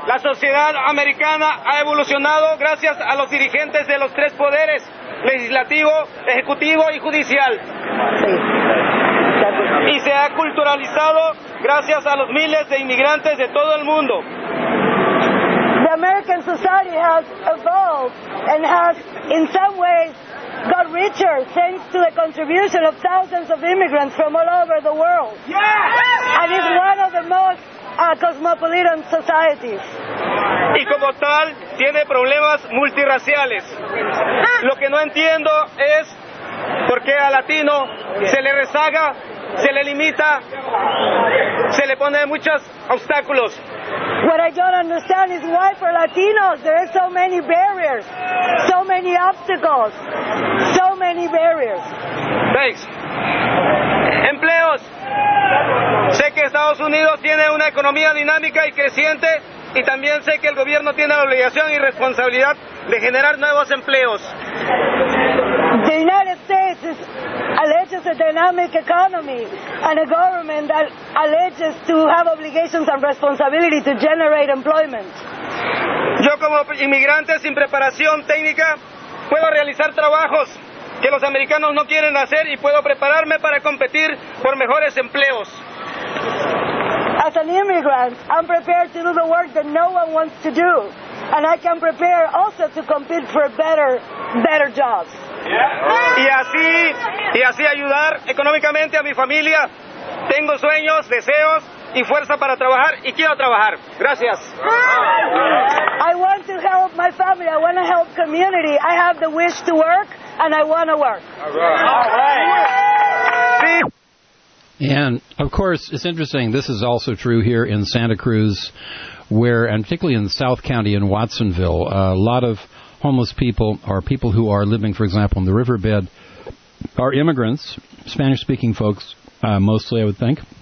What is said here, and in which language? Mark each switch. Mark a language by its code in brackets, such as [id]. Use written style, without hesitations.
[es] La sociedad americana ha evolucionado gracias a los dirigentes de los tres poderes, legislativo, ejecutivo y judicial. Y se ha culturalizado gracias a los miles de inmigrantes de todo el mundo. [en] The American society has evolved and has in some ways got richer thanks to the contribution of thousands of immigrants from all over the world. Yeah. And it's one of the most cosmopolitan societies. [es] Y como tal, tiene problemas multiraciales. Lo que no entiendo es por qué a latino se le rezaga, se le limita, se le pone muchos obstáculos. [en] What I don't understand is why for Latinos there are so many barriers, so many obstacles, so many barriers. Thanks. [es] Empleos. Sé que Estados Unidos tiene una economía dinámica y creciente, y también sé que el gobierno tiene la obligación y responsabilidad de generar nuevos empleos. [en] The United States is alleges a dynamic economy and a government that alleges to have obligations and responsibility to generate employment. [es] Yo como inmigrante sin preparación técnica puedo realizar trabajos que los americanos no quieren hacer y puedo prepararme para competir por mejores empleos. [en] As an immigrant, I'm prepared to do the work that no one wants to do, and I can prepare also to compete for better jobs. [es] Yeah. Y así ayudar económicamente a mi familia. Tengo sueños, deseos y fuerza para trabajar y quiero trabajar. Gracias. [en] I want to help my family. I want to help community. I have the wish to work and I want to work. All right. All right. Yeah. Sí. And, of course, it's interesting. This is also true here in Santa Cruz, where, and particularly in South County in Watsonville, a lot of homeless people or people who are living, for example, in the riverbed are immigrants, Spanish-speaking folks, mostly, I would think.